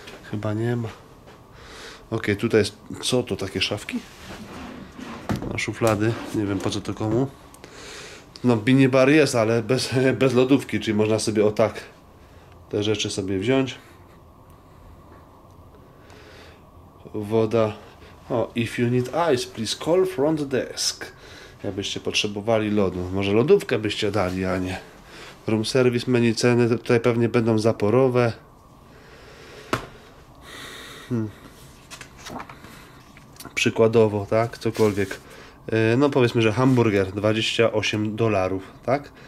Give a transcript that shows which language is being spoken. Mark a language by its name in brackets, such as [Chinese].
[Polish] Chyba nie ma. Okej, okay, tutaj jest... Co to, takie szafki? No, szuflady. Nie wiem, po co to komu. No, minibar jest, ale bez lodówki, czyli można sobie o tak te rzeczy sobie wziąć. Woda. [English] O, if you need ice, please call front desk. [Polish] Jakbyście potrzebowali lodu. Może lodówkę byście dali, a nie... Room service, menu, ceny tutaj pewnie będą zaporowe. Przykładowo, tak? Cokolwiek. No powiedzmy, że hamburger $28, tak?